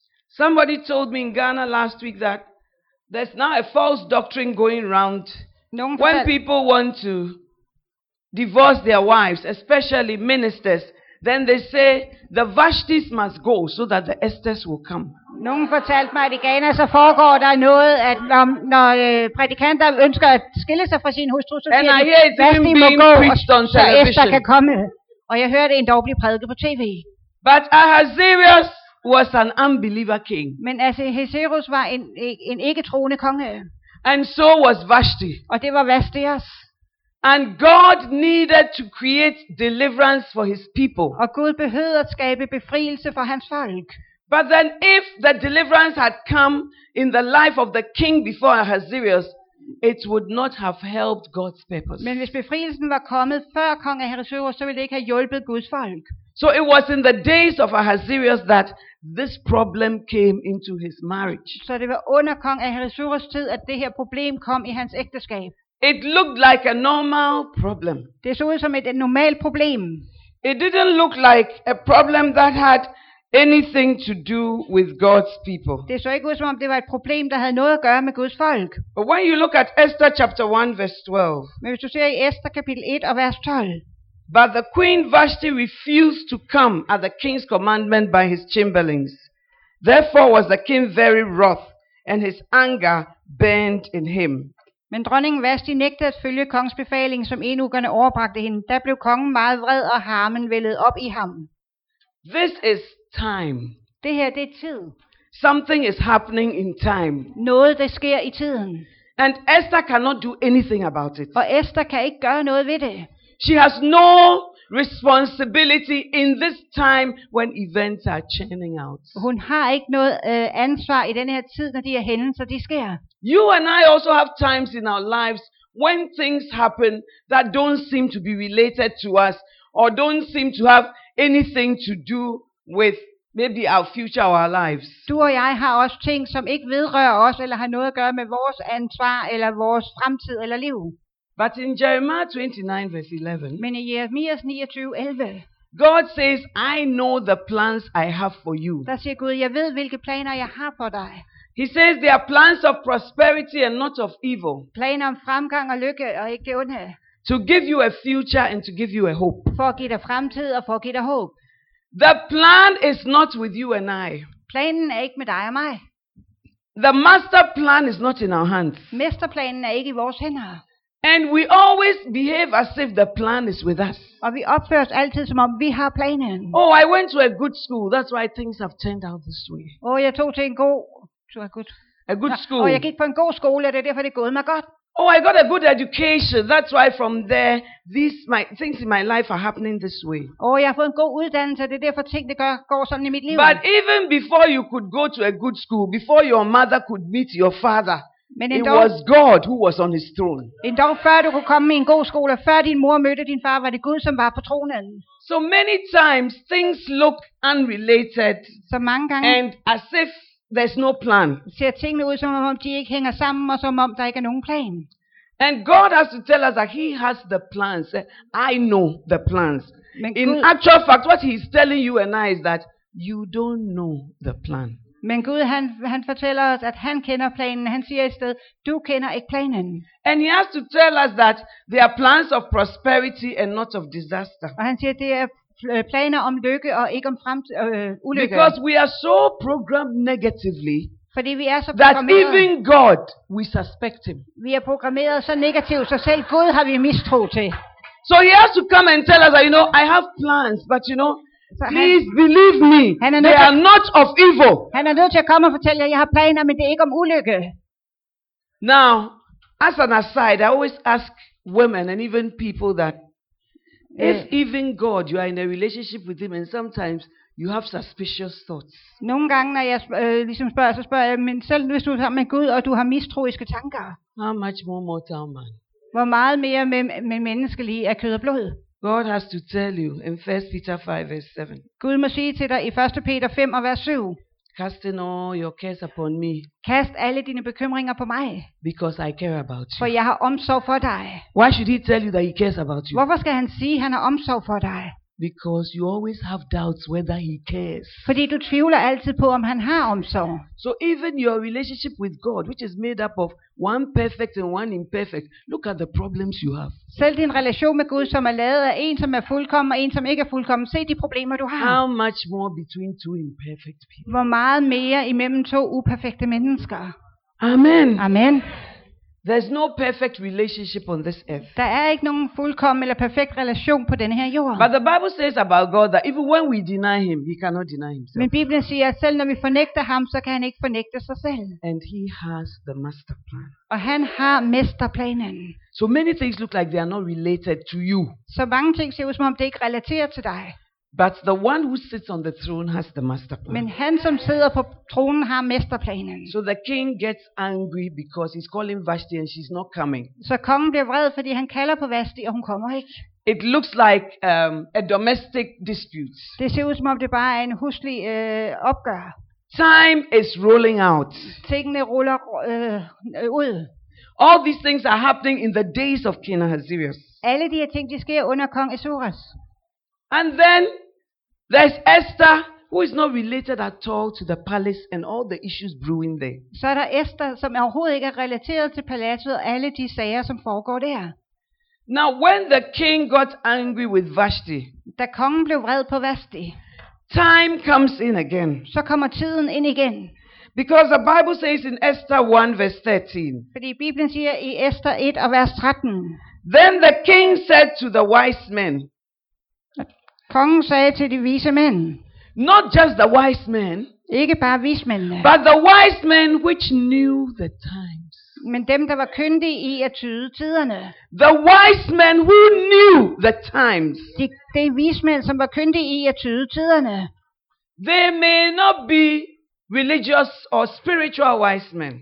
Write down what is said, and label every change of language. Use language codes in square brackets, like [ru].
[en] Somebody told me in Ghana last week that there's now a false doctrine going around. When people want to divorce their wives, especially ministers, then they say the Vashtis must go so that the Esthers will come. [da] Nogen fortalte mig, at i Ghana så foregår der noget, at når prædikanter ønsker at skille sig fra sin hustru, så siger de, Vashti må gå, så Esther kan komme. Og jeg hørte en dårlig prædike på TV. [en] But Ahasuerus was an unbeliever king. [da] Men Ahasuerus var en ikke troende konge. [en] And so was Vashti. [da] Og det var Vashti også. [en] And God needed to create deliverance for his people. [da] Og Gud behøvede at skabe befrielse for hans folk. [en] But then if the deliverance had come in the life of the king before Ahasuerus, it would not have helped God's purpose. [da] Men hvis befrielsen var kommet før kong Ahasuerus, så ville det ikke have hjulpet Guds folk. [en] So it was in the days of Ahasuerus that this problem came into his marriage. [da] Så det var under kong Ahasuerus tid, at det her problem kom i hans ægteskab. [en] It looked like a normal problem. [da] Det så ud som et normalt problem. [en] It didn't look like a problem that had anything to do with God's people. [da] Det så ikke ud som om det var et problem, der havde noget at gøre med Guds folk. [en] But when you look at Esther chapter 1 verse 12. [da] Men hvis du ser i Esther kapitel 1 og vers 12. [en] But the queen Vashti refused to come at the king's commandment by his chamberlains. Therefore was the king very wroth, and his anger burned in him. [da] Men dronningen Vashti nægtede at følge kongens befaling, som eunukkerne overbragte hende. Da blev kongen meget vred, og harmen vældede op i ham. [en] This is time. [da] Det her, det er tid. [en] Something is happening in time. [da] Noget, der sker i tiden. [en] And Esther cannot do anything about it. [da] Og Esther kan ikke gøre noget ved det. [en] She has no responsibility in this time when events are churning out. [da] Hun har ikke noget ansvar i denne her tid, når de her hændelser, de sker. [en] You and I also have times in our lives when things happen that don't seem to be related to us or don't seem to have anything to do with maybe our future or our lives. [da] Du og jeg har også ting, som ikke vedrører os eller har noget at gøre med vores ansvar eller vores fremtid eller liv. [en] But in Jeremiah 29 verse 11. [da] Men i Jeremias 29:11. [en] God says, I know the plans I have for you. [da] Der siger Gud, jeg ved hvilke planer jeg har for dig. [en] He says they are plans of prosperity and not of evil. [da] Planer om fremgang og lykke og ikke ondhed. [en] To give you a future and to give you a hope. [da] For at give dig fremtid og for at give dig håb. [en] The plan is not with you and I. [da] Planen er ikke med dig og mig. [en] The master plan is not in our hands. [da] Mesterplanen er ikke i vores hænder. [en] And we always behave as if the plan is with us. [da] Og vi opfører os altid som om vi har planen. [en] Oh, I went to a good school. That's why things have turned out this way. [da] Oh, jeg tog til en god [en] school. [da] Og jeg gik på en god skole, og det er derfor det er gået mig godt. [en] Oh, I got a good education. That's why from there things in my life are happening this way. [da] Oh, jeg har fået en god uddannelse, og det er derfor ting det går sådan i mit liv. [en] But even before you could go to a good school, before your mother could meet your father, it was God who was on his throne. [da] En dag før du kunne komme i en god skole, før din mor mødte din far, var det Gud som var på tronen. [en] So many times things look unrelated. [da] Så mange gange. [en] And as if there's no plan. [da] Ser tingene ud som om de ikke hænger sammen og som om der ikke er nogen plan. [en] And God has to tell us that he has the plans. I know the plans. [da] Men [en] in actual fact what he's telling you and I is that you don't know the plan. [da] Men Gud han fortæller os at han kender planen. Han siger i stedet du kender ikke planen. [en] And he has to tell us that there are plans of prosperity and not of disaster. [da] Og han siger det er planer om lykke og ikke om ulykke. [en] Because we are so programmed negatively. [da] Fordi vi er så programmeret. [en] That even God we suspect him. [da] Vi er programmeret så negativt, så selv Gud har vi mistro til. [en] So he has to come and tell us that, you know, I have plans, but you know, please believe me. They are not of evil. [da] Han er nødt til at komme og fortælle jer, jeg har planer, men det er ikke om ulykke. [en] Now, as an aside, I always ask women and even people that if even God you are in a relationship with him and sometimes you have suspicious thoughts. [da] Nogle gange når jeg ligesom spørger, så spørger jeg, men selv hvis du er sammen med Gud og du har mistroiske tanker. [en] How much more mortal man? [da] Hvor meget mere med menneskelige er kød og blod. [en] God has to tell you in 1 Peter 5 verse 7. [da] Gud må sige til dig i 1. Peter 5 og vers 7. [en] Casting all your cares upon me. [da] Kast alle dine bekymringer på mig. [en] Because I care about you. [da] For jeg har omsorg for dig. [en] Why should he tell you that he cares about you? [da] Hvorfor skal han sige han har omsorg for dig? [en] Because you always have doubts whether he cares. [da] Fordi du tvivler altid på om han har omsorg. [en] So even your relationship with God, which is made up of one perfect and one imperfect, look at the problems you have. [da] Selv din relation med Gud, som er lavet af en som er fuldkommen og en som ikke er fuldkommen, se de problemer du har. [en] How much more between two imperfect people? [da] Hvor meget mere imellem to uperfekte mennesker? [en] Amen. [da] Amen. [en] There's no perfect relationship on this earth. [da] Der er ikke nogen fuldkommen eller perfekt relation på denne her jord. [en] But the Bible says about God that even when we deny him, he cannot deny himself. [da] Men Bibelen siger, at selv når vi fornægter ham, så kan han ikke fornægte sig selv. [en] And he has the master plan. [da] Og han har mesterplanen. [en] So many things look like they are not related to you. [da] Så mange ting ser ud som om det ikke relaterer til dig. [en] But the one who sits on the throne has the master plan. [da] Men han som sidder på tronen har mesterplanen. [en] So the king gets angry because he's calling Vashti and she's not coming. [da] Så kongen bliver vred fordi han kalder på Vashti og hun kommer ikke. [en] It looks like a domestic dispute. [da] Det ser ud som om det bare er en huslig opgør. [en] Time is rolling out. [da] Tingene ruller ud. [en] All these things are happening in the days of King Ahasuerus. [da] Alle de her ting de sker under kong Ahasuerus. [en] And then there's Esther, who is not related at all to the palace and all the issues brewing there. [da] Så er der Esther, som overhovedet ikke er relateret til paladset og alle de sager, som foregår der. [en] Now, when the king got angry with Vashti, [da] da kongen blev vred på Vashti, [en] time comes in again. [da] Så kommer tiden ind igen. [en] Because the Bible says in Esther 1 verse 13. [da] Fordi Bibelen siger i Esther 1 og vers 13. [en] Then the king said to the wise men. [da] Kongen sagde til de vise mænd. [en] Not just the wise men. [da] Ikke bare vismændene. [en] But the wise men which knew the times. [da] Men dem der var kyndige i at tyde tiderne. [en] The wise men who knew the times. [da] De vismænd som var kyndige i at tyde tiderne. [en] They may not be religious or spiritual wise men.